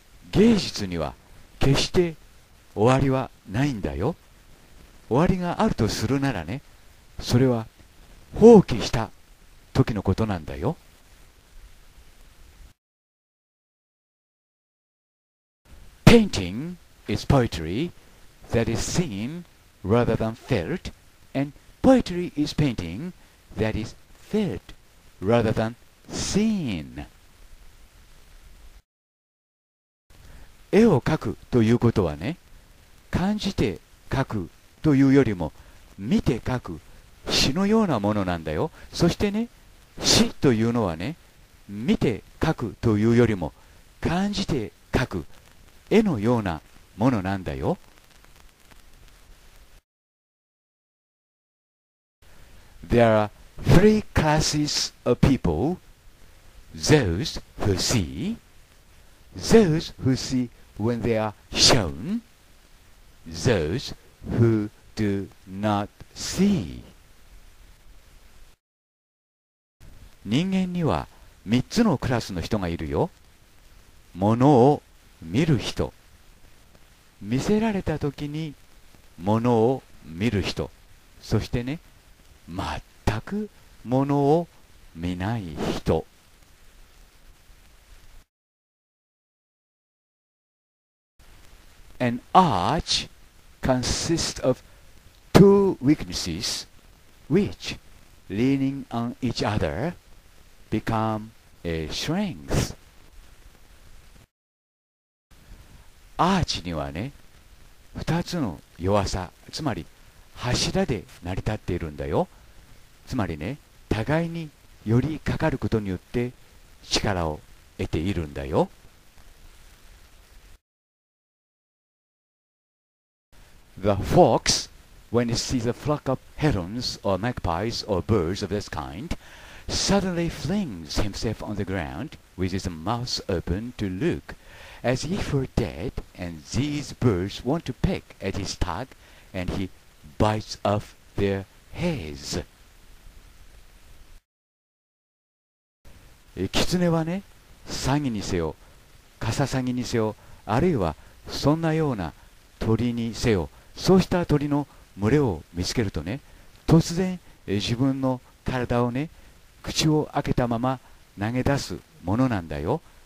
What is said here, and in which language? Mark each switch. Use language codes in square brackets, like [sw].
[ja] 芸術には決して終わりはないんだよ。終わりがあるとするならね、それは放棄した時のことなんだよ。 [en] Painting is poetry that is seen rather than felt, and poetry is painting that is felt rather than seen. [ja] 絵を描くということはね、感じて書くというよりも見て書く詩のようなものなんだよ。そしてね、詩というのはね、見て書くというよりも感じて書く絵のようなものなんだよ。 [en] There are three classes of people: those who see, those who see when they are shownThose who do not see. [ja] 人間には三つのクラスの人がいるよ。ものを見る人、見せられた時にものを見る人、そしてね、全くものを見ない人。 [en] An archConsists of two weaknesses, which, leaning on each other, become a strength. [ja] アーチにはね、二つの弱さ、つまり柱で成り立っているんだよ。つまりね、互いに寄りかかることによって力を得ているんだよ。 [en] The fox, when it sees a flock of herons or magpies or birds of this kind, suddenly flings himself on the ground with his mouth open to look, as if he were dead, and these birds want to peck at his tag, and he bites off their heads. [ja] キツネはね、サギにせよ、カササギにせよ、あるいはそんなような鳥にせよ、そうした鳥の群れを見つけるとね、突然自分の体をね、口を開けたまま投げ出すものなんだよ。